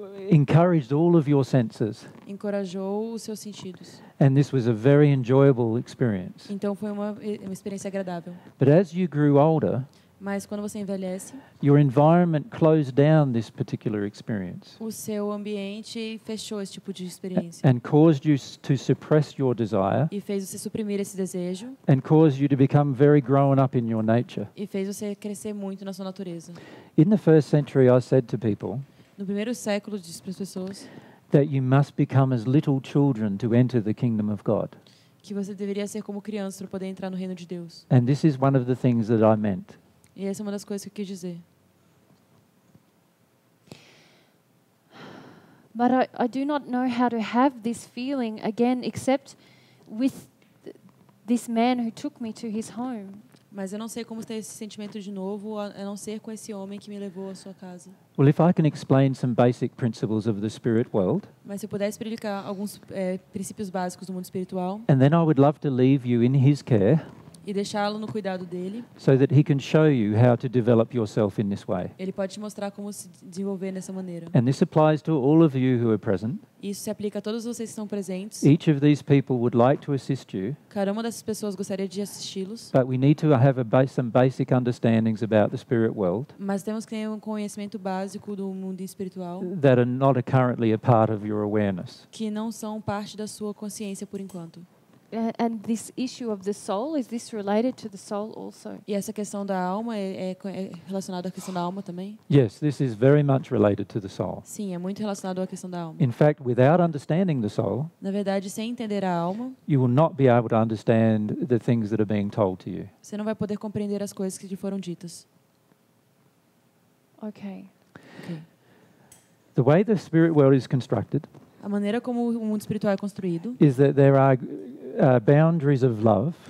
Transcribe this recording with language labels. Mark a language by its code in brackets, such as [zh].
[en] Encouraged all of your senses. [pt] Encorajou os seus sentidos. [en] And this was a very enjoyable experience. [pt] Então foi uma experiência agradável. [en] But as you grew older. [pt] Mas quando você envelhece, [en] your environment closed down this particular experience. [pt] O seu ambiente fechou esse tipo de experiência. [en] And caused you to suppress your desire. [pt] E fez você suprimir esse desejo. [en] And caused you to become very grown up in your nature. [pt] E fez você crescer muito na sua natureza. [en] In the first century, I said to people. [pt] No primeiro século, eu disse para as pessoas. [en] That you must become as little children to enter the kingdom of God. [pt] Que você deveria ser como criança para poder entrar no reino de Deus. [en] And this is one of the things that I meant. [pt] E essa é uma das coisas que eu quis dizer. [en] But I do not know how to have this feeling again except with this man who took me to his home. [pt] Mas eu não sei como ter esse sentimento de novo, a não ser com esse homem que me levou à sua casa. [en] Well, if I can explain some basic principles of the spirit world. [pt] Mas se eu puder explicar alguns princípios básicos do mundo espiritual. [en] And then I would love to leave you in his care. [pt] E deixá-lo no cuidado dele. [en] So that he can show you how to develop yourself in this way. [pt] Ele pode te mostrar como se desenvolver nessa maneira. [en] And this applies to all of you who are present. [pt] Isso se aplica a todos vocês que estão presentes. [en] Each of these people would like to assist you. [pt] Cada uma dessas pessoas gostaria de assisti-los. [en] But we need to have some basic understandings about the spirit world. [pt] Mas temos que ter um conhecimento básico do mundo espiritual. [en] That are not currently a part of your awareness. [pt] Que não são parte da sua consciência por enquanto. [en] And this issue of the soul, is this related to the soul also? [pt] E essa questão da alma é relacionada à questão da alma também? [en] Yes, this is very much related to the soul. [pt] Sim, é muito relacionado à questão da alma. [en] In fact, without understanding the soul, [pt] na verdade, sem entender a alma, [en] you will not be able to understand the things that are being told to you. [pt] Você não vai poder compreender as coisas que te foram ditas. [en] Okay. The way the spirit world is constructed, [pt] a maneira como o mundo espiritual é construído, [en] is that there are boundaries of love.